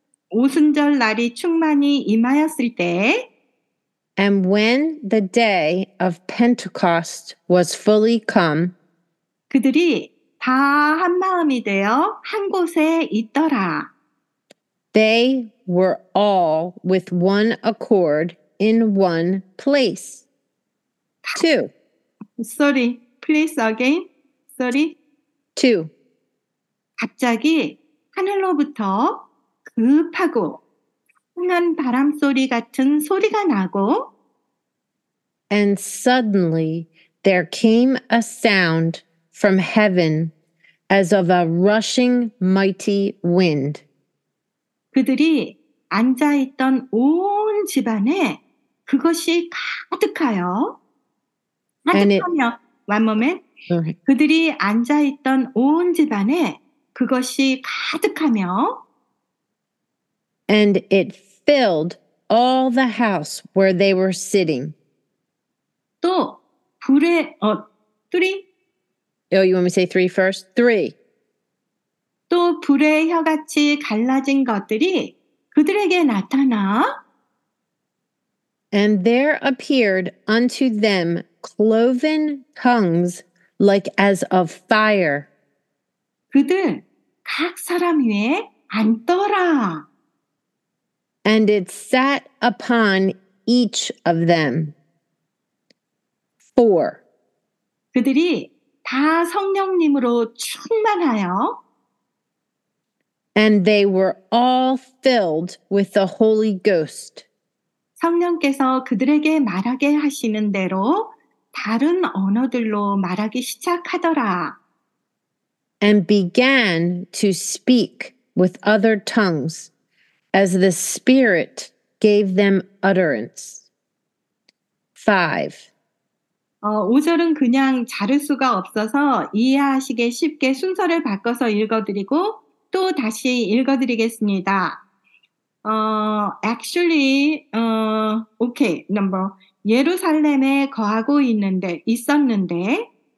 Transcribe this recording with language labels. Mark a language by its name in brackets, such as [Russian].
[Korean] 오순절 날이 충만히 임하였을 때 [English] And when the day of Pentecost was fully come [Korean] 그들이 다 한마음이 되어 한 곳에 있더라. [English] They were all with one accord in one place. 2. Sorry, please again. Sorry. 2. [Korean] 갑자기 하늘로부터 급하고 흥한 바람 소리 같은 소리가 나고 [English] And suddenly there came a sound from heaven as of a rushing mighty wind. [Korean] 그들이 앉아 있던 온 집안에 그것이 가득하여 가득하며 [English] One moment. Okay. [Korean] 그들이 앉아 있던 온 집안에 그것이 가득하며 [English] And it filled all the house where they were sitting. [Korean] 또 불에 three. [English] Oh, you want me to say three first? Three. [Korean] 또 불의 혀같이 갈라진 것들이 그들에게 나타나 [English] And there appeared unto them cloven tongues like as of fire. [Korean] 그들 각 사람 위에 앉더라. [English] And it sat upon each of them. 4. [Korean] 그들이 다 성령님으로 충만하여 [English] And they were all filled with the Holy Ghost. [Korean] 성령께서 그들에게 말하게 하시는 대로 다른 언어들로 말하기 시작하더라. [English] And began to speak with other tongues as the Spirit gave them utterance. 5. [Korean] 5절은 그냥 자를 수가 없어서 이해하시게 쉽게 순서를 바꿔서 읽어드리고 또 다시 읽어드리겠습니다. [English] Actually, okay, number. [Korean] 예루살렘에 거하고 있는데, 있었는데.